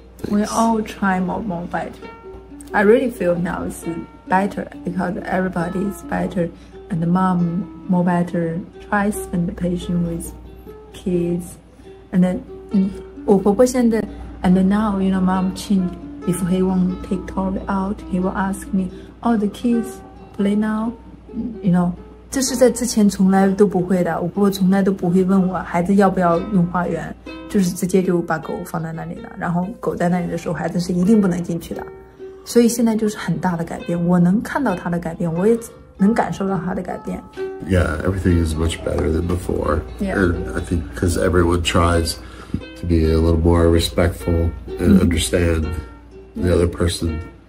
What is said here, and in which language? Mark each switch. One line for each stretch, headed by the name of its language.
English: We all try more better. I really feel now it's better because everybody is better and the mom more better, try to spend the patient with kids. And then,
Chinese: 我婆婆现在
English: and then now, you know, mom changed, if he won't take toy out, he will ask me,Oh, the kids play now, you know.
Chinese: 这是在之前从来都不会的。我婆婆从来都不会问我孩子要不要用花园，就是直接就把狗放在那里了。然后狗在那里的时候，孩子是一定不能进去的。所以现在就是很大的改变，我能看到他的改变，我也能感受到他的改变。
English: Yeah, everything is much better than before. Yeah. And I think because everyone tries to be a little more respectful and understand the other person.